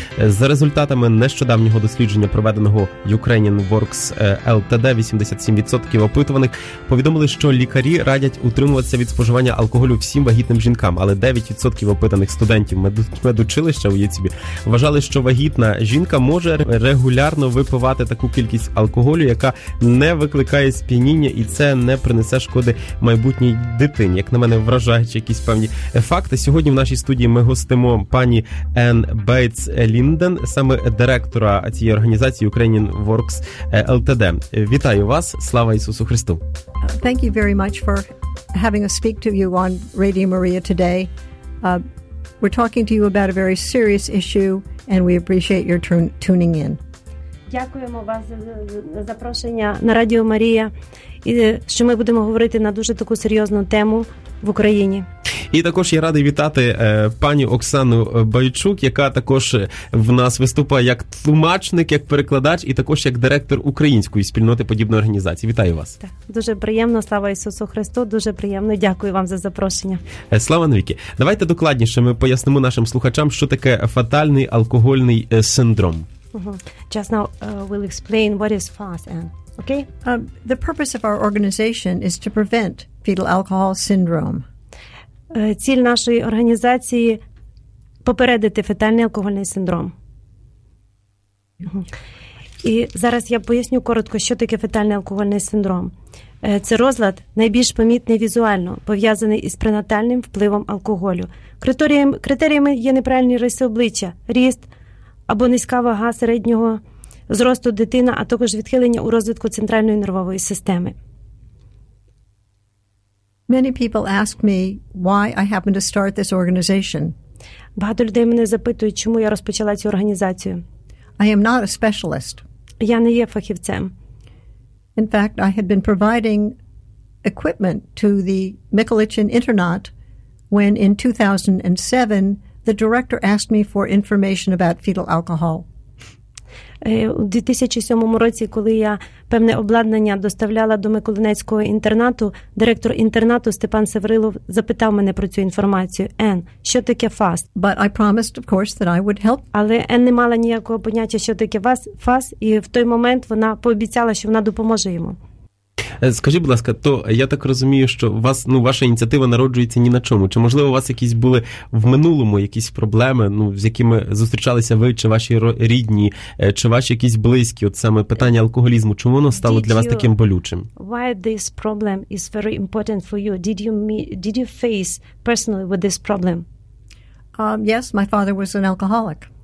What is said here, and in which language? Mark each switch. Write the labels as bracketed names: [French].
[Ukrainian] За результатами нещодавнього дослідження, проведеного Ukrainian Works LTD, 87% опитуваних повідомили, що лікарі радять утримуватися від споживання алкоголю всім вагітним жінкам, але 9% опитаних студентів медучилища у ЄЦІБІ вважали, що вагітна жінка може регулярно випивати таку кількість алкоголю, яка не викликає сп'яніння, і це не принесе шкоди майбутній дитині. Як на мене, вражаючи якісь певні факти. Сьогодні в нашій студії ми гостимо пані Енн Бейтс-Лінден, саме директора цієї організації Ukrainian Works LTD. Вітаю вас, слава Ісусу Христу. [English] Thank you very much for having us speak to you on Radio Maria today. We're talking to you about a very serious issue, and we appreciate your tuning in. [Ukrainian] Дякуємо вас за запрошення на Радіо Марія, і що ми будемо говорити на дуже таку серйозну тему в Україні. І також я радий вітати пані Оксану Байчук, яка також в нас виступає як тлумачник, як перекладач і також як директор української спільноти подібної організації. Вітаю вас. Так, дуже приємно, слава Ісусу Христу, дуже приємно. Дякую вам за запрошення. Слава навіки. Давайте докладніше ми пояснимо нашим слухачам, що таке фатальний алкогольний синдром. Mm-hmm. [English] Just now we'll explain what is FAS, Anne. Okay? The purpose of our organization is to prevent fetal alcohol syndrome. [Ukrainian] Ціль нашої організації – попередити фетальний алкогольний синдром. І зараз я поясню коротко, що таке фетальний алкогольний синдром. Це розлад, найбільш помітний візуально, пов'язаний із пренатальним впливом алкоголю. Критеріями є неправильні риси обличчя, ріст – або низька вага середнього зросту дитина, а також відхилення у розвитку центральної нервової системи. [English] Many people ask me why I happened to start this organization. [Ukrainian] Багато людей мене запитують, чому я розпочала цю організацію. [English] I am not a specialist. [Ukrainian] Я не є фахівцем. [English] In fact, I had been providing equipment to the Mikulichin internat when in 2007 the director asked me for information about fetal alcohol. [Ukrainian] У 2007 році, коли я певне обладнання доставляла до Миколинецького інтернату, директор інтернату Степан Саврилов запитав мене про цю інформацію. Енн, що таке ФАС? [English] But I promised, of course, that I would help. [Ukrainian] Але Енн не мала ніякого поняття, що таке ФАС, і в той момент вона пообіцяла, що вона допоможе йому. Скажіть, будь ласка, то я так розумію, що вас, ну, ваша ініціатива народжується ні на чому. Чи, можливо, у вас якісь були в минулому якісь проблеми, ну, з якими зустрічалися ви, чи ваші рідні, чи ваші якісь близькі, от саме питання алкоголізму, чому воно стало для вас таким болючим? [English] Why this problem is very important for you? Did you face personally with this problem? Yes, my father was an alcoholic.